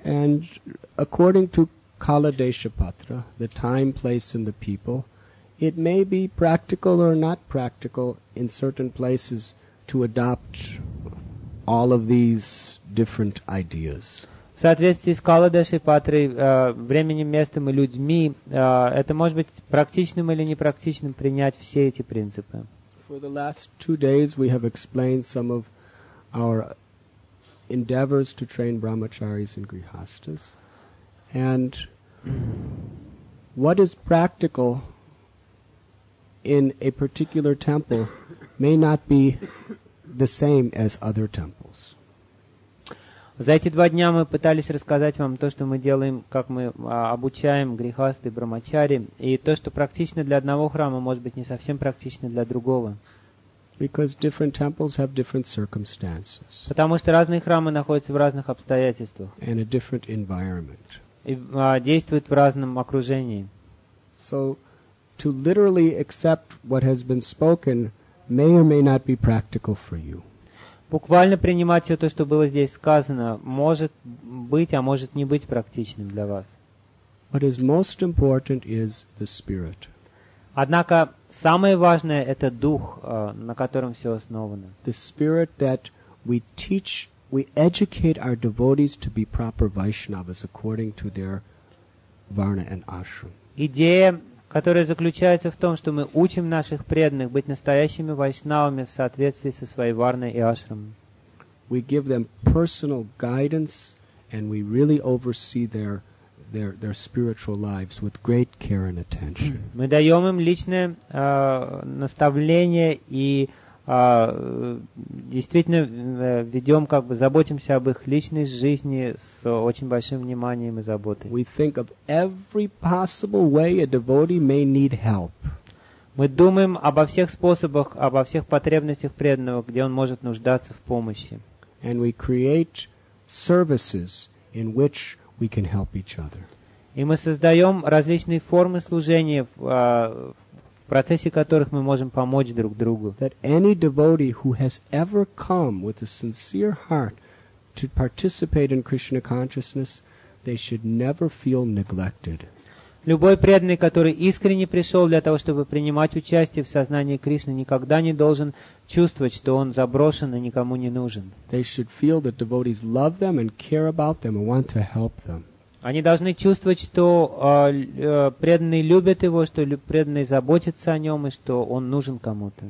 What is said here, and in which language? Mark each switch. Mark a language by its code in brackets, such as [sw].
[en] And according to Kaladeshapatra, the time, place, and the people, it may be practical or not practical in certain places to adopt all of these different ideas. [ru] В соответствии с Каладешей Патрой, временем, местом и людьми, это может быть практичным или непрактичным принять все эти принципы. [en] For the last 2 days we have explained some of our endeavors to train brahmacharis and grihasthas. And what is practical in a particular temple may not be the same as other temples. [ru] За эти 2 дня мы пытались рассказать вам то, что мы делаем, как мы обучаем грихасты, брахмачари, и то, что практично для одного храма, может быть не совсем практично для другого. [en] Because different temples have different circumstances. [ru] Потому что разные храмы находятся в разных обстоятельствах. [en] And a different environment. [ru] И действуют в разном окружении. [en] So to literally accept what has been spoken may or may not be practical for you. [ru] Буквально принимать все то, что было здесь сказано, может быть, а может не быть практичным для вас. [en] What is most important is the spirit. [ru] Однако самое важное – это дух, на котором все основано. [en] The spirit that we teach, we educate our devotees to be proper Vaishnavas according to their varna and ashram. [ru] Идея, которая заключается в том, что мы учим наших преданных быть настоящими вайшнавами в соответствии со своей варной и ашрамой. [en] We give them personal guidance and we really oversee their spiritual lives with great care and attention. [ru] Мы даем им личное наставление и действительно ведем, как бы заботимся об их личной жизни с очень большим вниманием и заботой. [en] We think of every possible way a devotee may need help. [ru] Мы думаем обо всех способах, обо всех потребностях преданного, где он может нуждаться в помощи. [en] And we create services in which we can help each other. [ru] И мы создаем различные формы служения, в процессе которых мы можем помочь друг другу. [en] That any devotee who has ever come with a sincere heart to participate in Krishna consciousness, they should never feel neglected. [ru] Любой преданный, который искренне пришел для того, чтобы принимать участие в сознании Кришны, никогда не должен чувствовать, что он заброшен и никому не нужен. [en] They should feel that devotees love them and care about them and want to help them. [ru] Они должны чувствовать, что преданные любят его, что преданные заботятся о нем и что он нужен кому-то.